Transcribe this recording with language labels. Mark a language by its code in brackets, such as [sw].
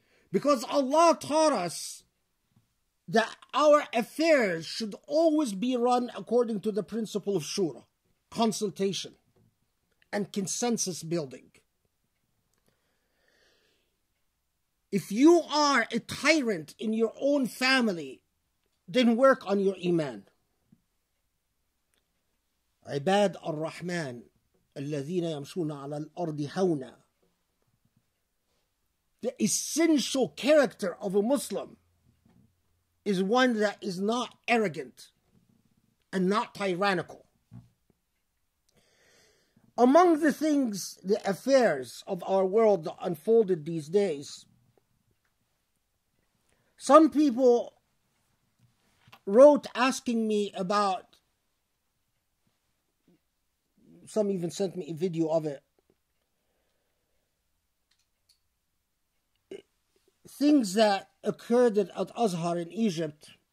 [en] Because Allah taught us that our affairs should always be run according to the principle of shura, consultation, and consensus building. If you are a tyrant in your own family, then work on your iman. [ar] عباد الرحمن الذين يمشون على الأرض هونا. [en] The essential character of a Muslim is one that is not arrogant and not tyrannical. Among the things, the affairs of our world that unfolded these days, some people wrote asking me about, some even sent me a video of it, things that occurred at Al-Azhar in Egypt.